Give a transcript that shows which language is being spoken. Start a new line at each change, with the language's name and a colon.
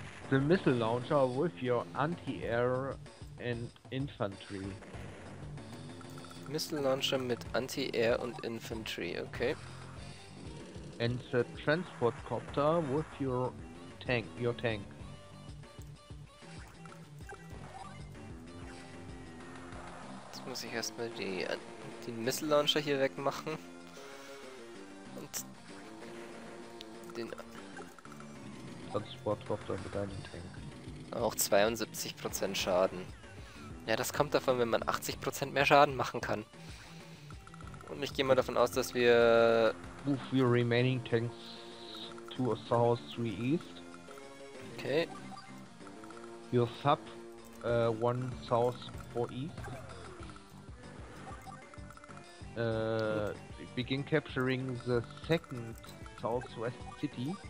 English: The missile launcher with your anti-air and infantry.
German: Missile Launcher mit Anti-Air und Infantry, okay.
English: And the transport copter with your tank.
German: muss ich erstmal die den Missile Launcher hier wegmachen. Und den Transportkopter mit einem Tank. Auch 72% Schaden. Ja, das kommt davon, wenn man 80% mehr Schaden machen kann. Und ich gehe mal davon aus, dass wir.
English: Move your remaining tanks to a south 3 east. Okay. Your sub 1 south 4 east. Begin capturing the second southwest city.